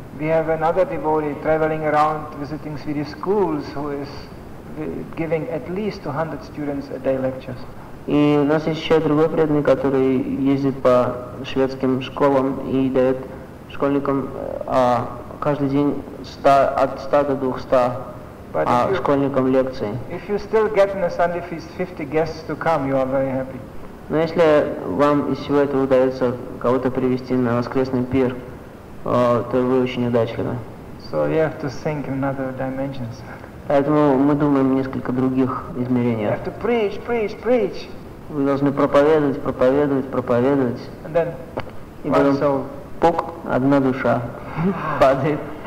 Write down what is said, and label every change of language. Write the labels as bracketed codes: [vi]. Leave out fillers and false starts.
[en] We have another devotee traveling around visiting Swedish schools who is giving at least 200 students a day lectures. [ru] И у нас есть еще другой преданный, который ездит по шведским школам и дает школьникам каждый день от 100 до 200 школьникам лекции. [en] If you still get in a Sunday feast 50 guests to come, you are very happy. [ru] Но если вам из всего этого удается кого-то привести на воскресный пир, то вы очень удачливы. [en] So we have to think in other dimensions. [ru] Поэтому мы думаем в несколько других измерениях. [en] We have to preach, preach, preach. [ru] Вы должны проповедовать, проповедовать, проповедовать. [en] And then [ru] и потом пук, одна душа падает.